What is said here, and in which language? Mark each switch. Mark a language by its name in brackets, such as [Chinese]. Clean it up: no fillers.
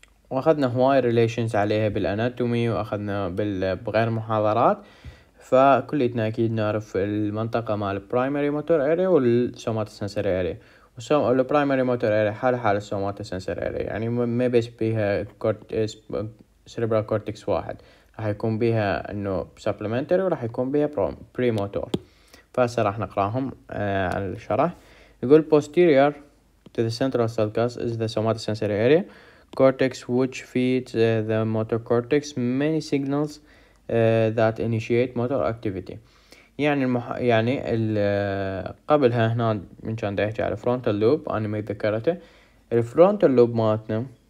[Arabic] واخذنا هواي ريليشنز عليها بالاناتومي واخذنا بغير محاضرات، فكلنا اكيد نعرف المنطقه مال البرايمري موتور اريا والسوماتوسنسري اريا. البرايمري موتور اريا حال السوماتوسنسري اريا، يعني ما بس بيها سيريبرال كورتكس واحد، راح يكون بيها انه سبلمنتري وراح يكون بيها بري موتور، فصراحه نقراهم على الشرح. [English] يقول posterior to the central sulcus is the somatosensory area cortex which feeds the motor cortex many signals that initiate motor activity. [Arabic] يعني يعني قبلها هنا من كان دايحكي على frontal loop، أنا ما ذكرته frontal loop مالتنا